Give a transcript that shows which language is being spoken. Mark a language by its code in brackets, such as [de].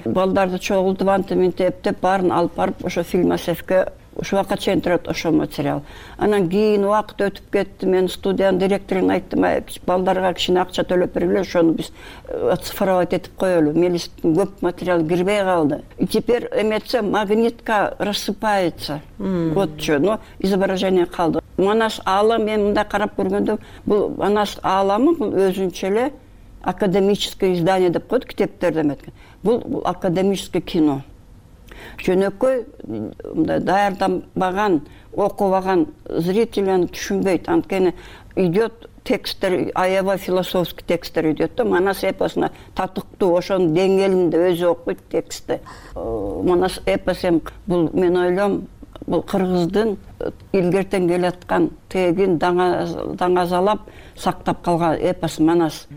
[ky] Балдарды чогултуп антиминтеп деп баарын алып барып ошо Фильмасефке ушу вакыт чейин турат ошо материал. Анан кийин убакыт өтүп кетти. Мен студиянын директорун айттым, балдарга кичине акча төлөп бергиле, ошону биз цифровать этип коелу. Мелистин көп материал кирбей калды. [ru] И теперь эметсе магнитка рассыпается. Вот что, но изображение калды. [ky] Манас Аалам, мен мындай карап көргөндө, бул Манас Ааламы бул өзүнчө эле [ru] академическое издание [ky] деп коёт китептерди эметкен. [ru] Бул академическое кино. [ky] Жөнөкөй мындай даярданбаган, окубаган зритель аны түшүнбөйт. Анткени идет тексттер, аябы философский тексттер идет да, Манас эпосуна татыктуу ошонун деңгээлинде өзү окуйт текстти. Манас эпос эми бул мен ойлом, бул кыргыздын илгертен келаткан тегин даңазалап сактап калган эпос Манас.